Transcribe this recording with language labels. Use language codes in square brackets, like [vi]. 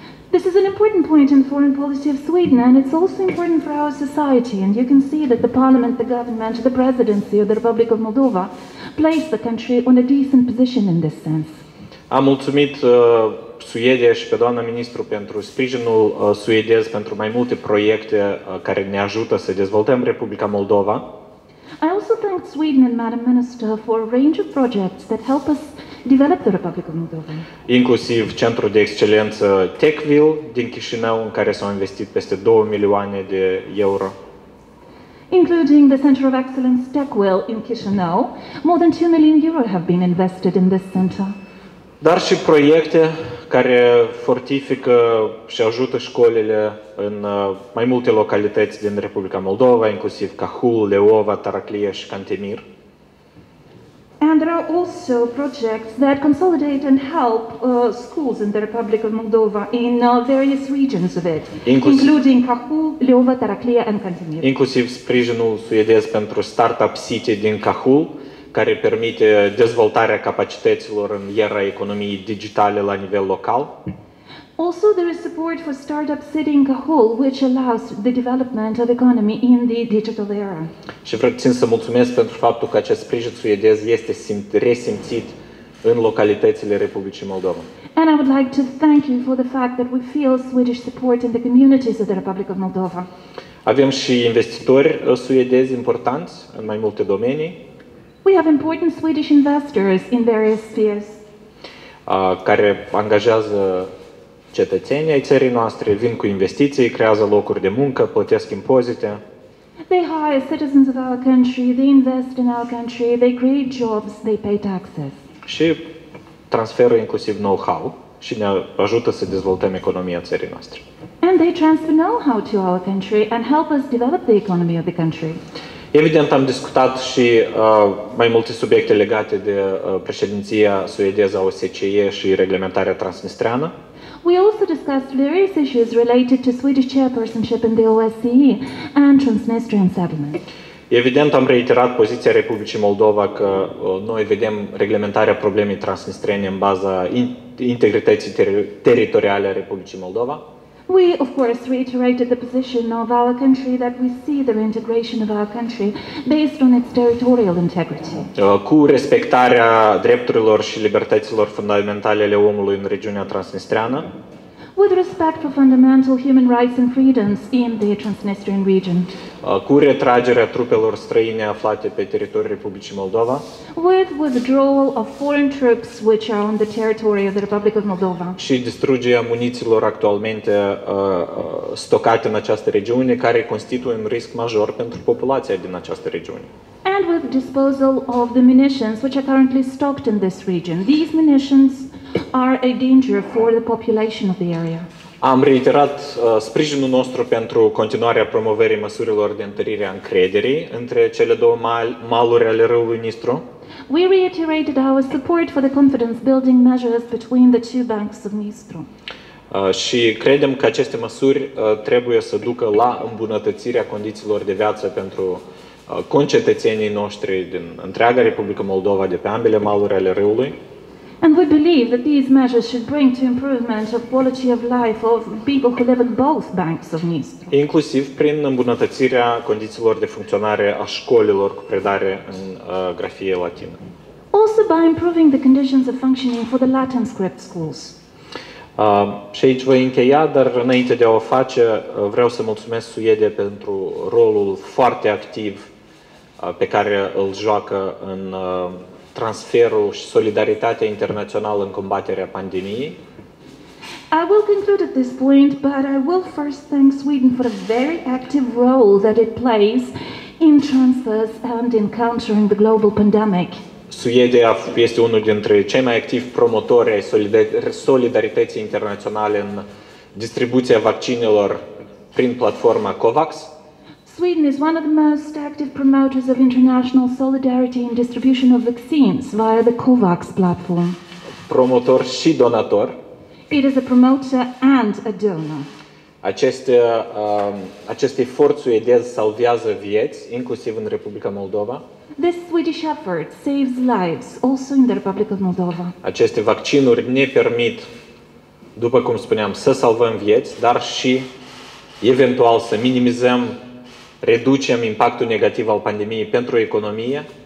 [en] This is an important point in foreign policy of Sweden and it's also important for our society, and you can see that the parliament, the government, the presidency of the Republic of Moldova place the country on a decent position in this sense. [ro] Am mulțumit Suedia și pe doamna ministru pentru sprijinul suedez pentru mai multe proiecte care ne ajută să dezvoltăm Republica Moldova. [en] I also thank Sweden and Madam Minister for a range of projects that help us develop the Republic of Moldova. [ro] Inclusiv centrul de excelență Techville din Chișinău în care s-au investit peste 2 milioane de euro. [en] Including the Center of Excellence Techville in Chișinău, more than 2 million euro have been invested in this center. [ro] Dar și proiecte care fortifică și ajută școlile în mai multe localități din Republica Moldova, inclusiv Cahul, Leova, Taraclia și Cantemir. [en] And there are also projects that consolidate and help schools in the Republic of Moldova in various regions of it, including Cahul, Leova, Taraclia and Cantemir. [ro] Inclusiv sprijinul suedez pentru Startup City din Cahul, care permite dezvoltarea capacităților în era economiei digitale la nivel local. [en] Also there is support for Startup City in Cahul, which allows the development of economy in the digital era. [ro] Și vreau țin să mulțumesc pentru faptul că acest sprijin suedez este resimțit în localitățile Republicii Moldova. [en] And I would like to thank you for the fact that we feel Swedish support in the communities of the Republic of Moldova. [ro] Avem și investitori suedezi importanți în mai multe domenii. [en] We have important Swedish investors in various spheres. [ro] Care angajează cetățenii ai țării noastre, vin cu investiții, creează locuri de muncă, plătesc impozite. [en] They hire citizens of our country, they invest in our country, they create jobs, they pay taxes. [ro] Și transferă inclusiv know-how și ne ajută să dezvoltăm economia țării noastre. [en] And they transfer know-how to our country and help us develop the economy of the country. [ro] Evident, am discutat și mai multe subiecte legate de președinția suedeză a OSCE și reglementarea transnistreană. [en] We also discussed various issues related to Swedish chairpersonship in the OSCE and Transnistrian settlement. [ro] Evident, am reiterat poziția Republicii Moldova că noi vedem reglementarea problemei transnistrene în baza integrității teritoriale a Republicii Moldova. [en] We, of course, reiterated the position of our country that we see the integration of our country based on its territorial integrity. [ro] Cu respectarea drepturilor și libertăților fundamentale ale omului în regiunea transnistreană. [en] With respect for fundamental human rights and freedoms in the Transnistrian region. [ro] Cu retragerea trupelor străine aflate pe teritoriul Republicii Moldova. [en] With withdrawal of foreign troops which are on the territory of the Republic of Moldova. [ro] Și distrugerea munițiilor actualmente stocate în această regiune, care constituie un risc major pentru populația din această regiune. [en] And with disposal of the munitions which are currently stocked in this region. These munitions are a danger for the population of the area. [ro] Am reiterat sprijinul nostru pentru continuarea promovării măsurilor de întărire a încrederii între cele două maluri ale râului Nistru. [en] We reiterated our support for the confidence building measures between the two banks of Nistru. [ro] Și credem că aceste măsuri trebuie să ducă la îmbunătățirea condițiilor de viață pentru concetățenii noștri din întreaga Republică Moldova de pe ambele maluri ale râului. [en] And we believe that these measures should bring to improvement of quality of life of people who live in both banks of Nistru. [ro] Inclusiv prin îmbunătățirea condițiilor de funcționare a școlilor cu predare în grafie latină. [en] Also by improving the conditions of functioning for the Latin script schools. [ro] Și aici voi încheia, dar înainte de a o face, vreau să mulțumesc Suedia pentru rolul foarte activ pe care îl joacă în transferul și solidaritatea internațională în combaterea pandemiei. [en] I will conclude at this point, but I will first thank Sweden for a very active role that it plays in transfers and in countering the global pandemic. [ro] Suedia este unul dintre cei mai activi promotori ai solidarității internaționale în distribuția vaccinelor prin platforma COVAX. [en] Sweden is one of the most active promoters of international solidarity in distribution of vaccines via the COVAX platform. [ro] Promotor și donator. [en] It is a promoter and a donor. [ro] Acest efort suedez salvează vieți, inclusiv în Republica Moldova. [en] This Swedish effort saves lives also in the Republic of Moldova. [ro] Aceste vaccinuri ne permit, după cum spuneam, să salvăm vieți, dar și eventual să minimizăm, reducem impactul negativ al pandemiei pentru economie.